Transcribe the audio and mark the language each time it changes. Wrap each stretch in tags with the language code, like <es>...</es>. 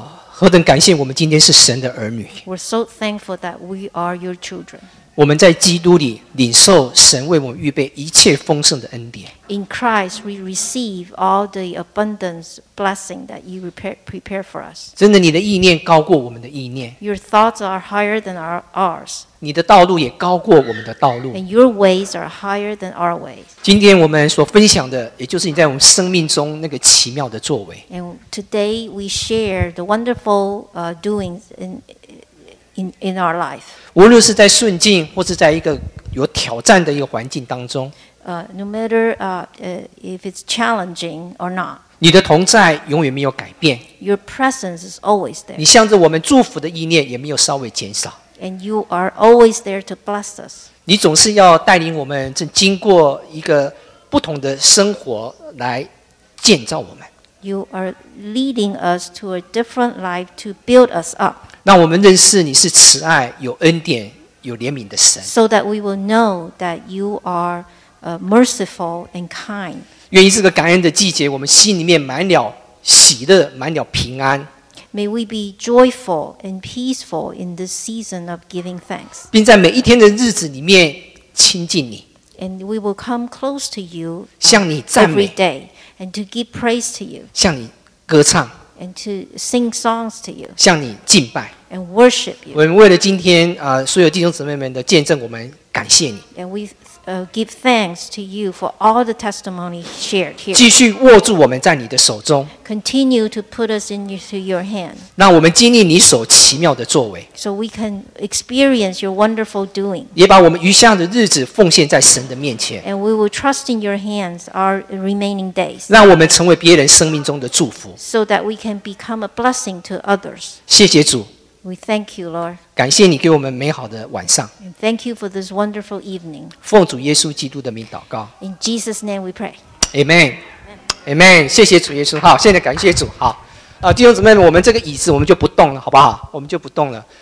<zh>何等感谢我们今天是神的儿女。</zh> <en>We're so thankful that we are your children.</en> <zh>我们在基督里领受神为我们预备一切丰盛的恩典。</zh> <en>In Christ, we receive all the abundance blessing that you prepare for us.</en> <zh>真的，你的意念高过我们的意念。</zh> <en>Your thoughts are higher than ours.</en> <zh>你的道路也高过我们的道路。</zh> <en>And your ways are higher than our ways.</en> <zh>今天我们所分享的，也就是你在我们生命中那个奇妙的作为。</zh> <en>And today we share the wonderful doings in our life.</en> <zh>无论是在顺境，或是在一个有挑战的一个环境当中。</zh> <en>No matter if it's challenging or not,</en> <zh>你的同在永远没有改变。</zh> <en>Your presence is always there.</en> <zh>你向着我们祝福的意念也没有稍微减少。</zh> <en>And you are always there to bless us.</en> <zh>你总是要带领我们正经过一个不同的生活来建造我们。</zh> <en>You are leading us to a different life to build us up.</en> <zh>让我们认识你是慈爱、有恩典、有怜悯的神。</zh> <en>So that we will know that you are merciful and kind.</en> <zh>愿意这个感恩的季节，我们心里面满了喜乐，满了平安。</zh> <en>May we be joyful and peaceful in this season of giving thanks.</en> <zh>并在每一天的日子里面亲近你。</zh> <en>And we will come close to you.</en> <zh>向你赞美。</zh> <en>Every day and to give praise to you.</en> <zh>向你歌唱。</zh> <en>And to sing songs to you.</en> <zh>向你敬拜。</zh> <en>And worship you.</en> <zh>我们为了今天所有弟兄姊妹们的见证，我们感谢你。</zh> <en>And we give thanks to you for all the testimony shared here.</en> <zh>继续握住我们在你的手中。</zh> <en>Continue to put us into your hand.</en> <zh>让我们经历你所奇妙的作为。</zh> <en>So we can experience your wonderful doing.</en> <zh>也把我们余下的日子奉献在神的面前。</zh> <en>And we will trust in your hands our remaining days.</en> <zh>让我们成为别人生命中的祝福。</zh> <en>So that we can become a blessing to others.</en> <zh>谢谢主。</zh> <en>We thank you, Lord.</en> <zh>感谢你给我们美好的晚上。</zh> <en>Thank you for this wonderful evening.</en> <zh>奉主耶稣基督的名祷告。</zh> <en>In Jesus' name we pray.</en> <zh>Amen. Amen， 谢谢主耶稣，好，现在感谢主，好。弟兄姊妹们，我们这个椅子我们就不动了，好不好？我们就不动了。</zh>